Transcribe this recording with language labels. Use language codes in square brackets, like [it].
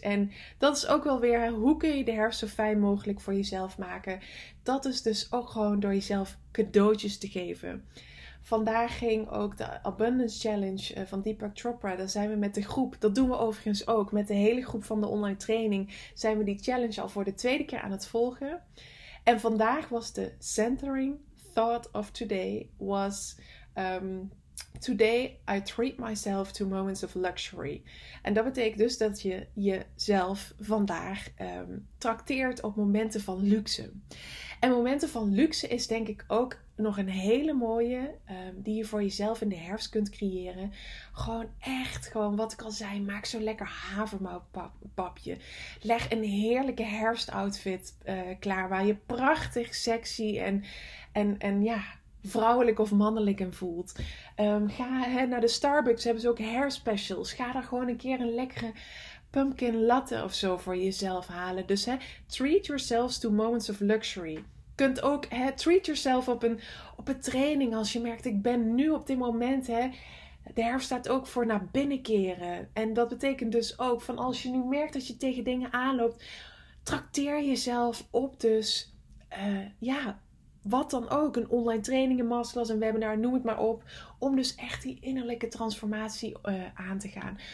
[nl] En dat is ook wel weer, hoe kun je de herfst zo fijn mogelijk voor jezelf maken? Dat is dus ook gewoon door jezelf cadeautjes te geven. Vandaag ging ook de Abundance Challenge van Deepak Chopra. Daar zijn we met de groep, dat doen we overigens ook, met de hele groep van de online training, zijn we die challenge al voor de 2e keer aan het volgen. En vandaag was de [en] centering thought of today was, today I treat myself to moments of luxury. [nl] En dat betekent dus dat je jezelf vandaag trakteert op momenten van luxe. En momenten van luxe is denk ik ook nog een hele mooie, die je voor jezelf in de herfst kunt creëren. Gewoon echt, gewoon wat ik al zei, maak zo'n lekker havermoutpapje. Leg een heerlijke herfstoutfit klaar, waar je prachtig, sexy en vrouwelijk of mannelijk in voelt. Ga naar de Starbucks, hebben ze ook hairspecials. Ga daar gewoon een keer een lekkere pumpkin latte of zo voor jezelf halen. [en] Dus treat yourselves to moments of luxury. [nl] Je kunt ook [en] treat yourself [nl] op een training als je merkt, ik ben nu op dit moment, de herfst staat ook voor naar binnen keren. En dat betekent dus ook van als je nu merkt dat je tegen dingen aanloopt, trakteer jezelf op dus, wat dan ook, een online training, een masterclass, een webinar, noem het maar op, om dus echt die innerlijke transformatie aan te gaan.